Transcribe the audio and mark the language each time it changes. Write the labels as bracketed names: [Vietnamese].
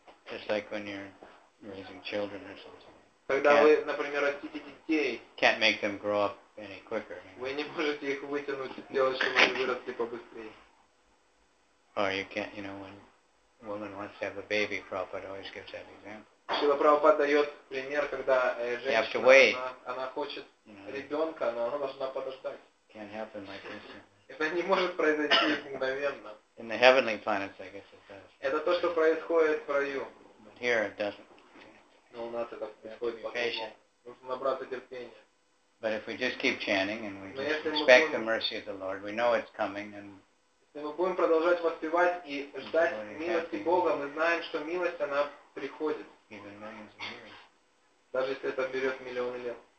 [English] Just like when you're raising children or something. [Russian] Когда вы, например, растите детей. [English] Can't make them grow up any quicker. [Russian] Вы не можете их вытянуть и сделать, чтобы они выросли побыстрее. [English] Or you can't, you know, when a woman wants to have a baby, Prabhupada always gives that example. [Russian] Шрила Прабхупад дает пример, когда женщина, она хочет ребенка, но она должна подождать. [English] Can't happen like this. [Russian] Это не может произойти мгновенно. [English] In the heavenly planets, I guess it does. [Russian] Это то, что происходит в раю. [English] But here it doesn't. [Russian] Но у нас это происходит по-другому. Нужно набраться терпения. [English] But if we just keep chanting and we just expect the mercy of the Lord, we know it's coming and [Russian] если мы будем продолжать воспевать и ждать милости Бога, мы знаем, что милость, она приходит. [English] Even millions of years. [Russian] Даже если это берет миллионы лет.